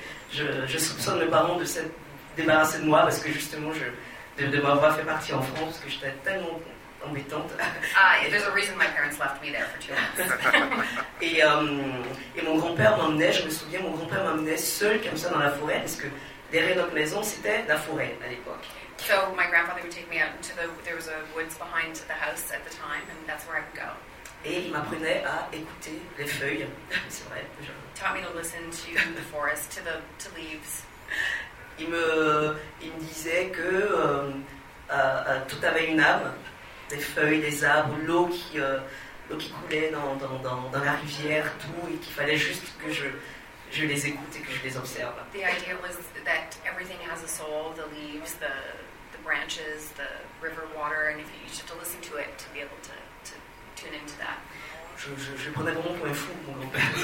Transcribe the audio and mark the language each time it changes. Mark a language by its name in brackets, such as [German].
[French] je soupçonne mes parents de s'être débarrassés de moi parce que justement, de m'avoir fait partir en France parce que j'étais tellement... embêtante. [English] There's a reason my parents left me there for 2 months. [French] et mon grand-père m'emmenait, je me souviens, mon grand-père m'emmenait seul comme ça dans la forêt, parce que derrière notre maison, c'était la forêt à l'époque. [English] So my grandfather would take me out into there was a woods behind the house at the time, and that's where I would go. [French] Et il m'apprenait à écouter les feuilles. C'est vrai. [English] Taught me to listen to the forest, to leaves. [French] Il me disait que tout avait une âme. Des feuilles, des arbres, l'eau qui coulait dans la rivière, tout, et qu'il fallait juste que je les écoute et que je les observe. [English] The idea was that everything has a soul, the leaves, the branches, the river water, and if you just have to listen to it to be able to tune in [French] je prenais vraiment pour un fou, mon grand-père.